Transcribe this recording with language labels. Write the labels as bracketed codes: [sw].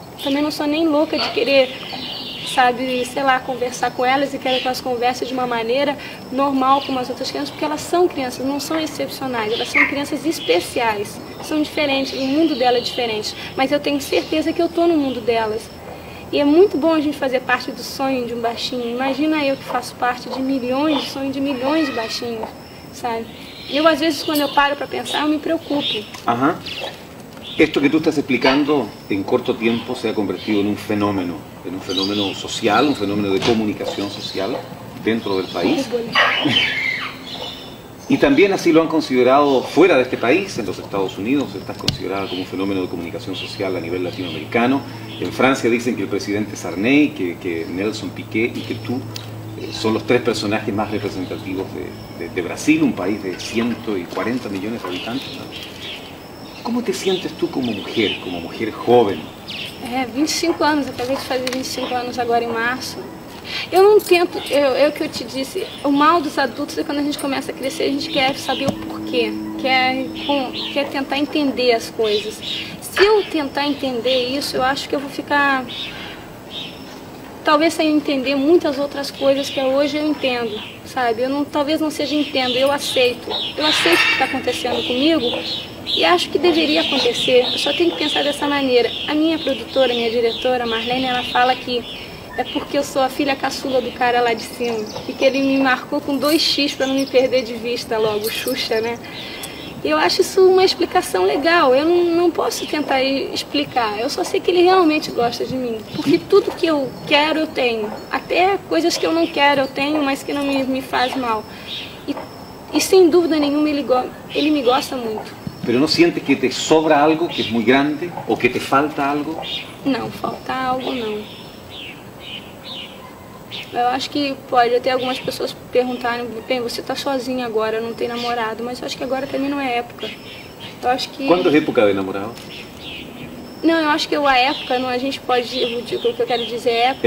[pt] Também não sou nem louca de querer, sabe, sei lá, conversar com elas e quero que elas conversem de uma maneira normal com as outras crianças, porque elas são crianças, não são excepcionais, elas são crianças especiais, são diferentes, o mundo delas é diferente, mas eu tenho certeza que eu estou no mundo delas. E é muito bom a gente fazer parte do sonho de um baixinho, imagina eu que faço parte de milhões, sonho de milhões de baixinhos, sabe? Eu, às vezes, quando eu paro para pensar, eu me preocupo. Aham. [es] Esto que tú estás explicando en corto tiempo se ha convertido en un fenómeno social, un fenómeno de comunicación social dentro del país. Y también así lo han considerado fuera de este país, en los Estados Unidos, estás considerada como un fenómeno de comunicación social a nivel latinoamericano. En Francia dicen que el presidente Sarney, que Nelson Piquet y que tú son los tres personajes más representativos de Brasil, un país de 140 millones de habitantes, ¿no? ¿Cómo te sientes tú como mujer joven? 25 años, [pt] acabei de fazer [es] 25 años ahora en marzo. [pt] Eu não tento, eu que eu te disse, o mal dos adultos é quando a gente começa a crescer, a gente quer saber o porquê, quer tentar entender as coisas. Se eu tentar entender isso, eu acho que eu vou ficar, talvez sem entender muitas outras coisas que hoje eu entendo, sabe? Eu não, talvez não seja entendo, eu aceito o que está acontecendo comigo, e acho que deveria acontecer, eu só tenho que pensar dessa maneira. A minha produtora, minha diretora, Marlene, ela fala que é porque eu sou a filha caçula do cara lá de cima. E que ele me marcou com 2x para não me perder de vista logo, Xuxa, né? E eu acho isso uma explicação legal, eu não posso tentar explicar. Eu só sei que ele realmente gosta de mim. Porque tudo que eu quero, eu tenho. Até coisas que eu não quero, eu tenho, mas que não me faz mal. E sem dúvida nenhuma, ele me gosta muito. [es] Pero no sientes que te sobra algo, que es muy grande, o que te falta algo? No, falta algo no. [pt] Eu acho que pode até algumas pessoas perguntarem, bem, você está sozinha agora, não tem namorado, mas eu acho que agora também não é época. Eu acho que... Quando é época de namorado? Não, eu acho que a época, não, a gente pode, eu digo, o que eu quero dizer é época.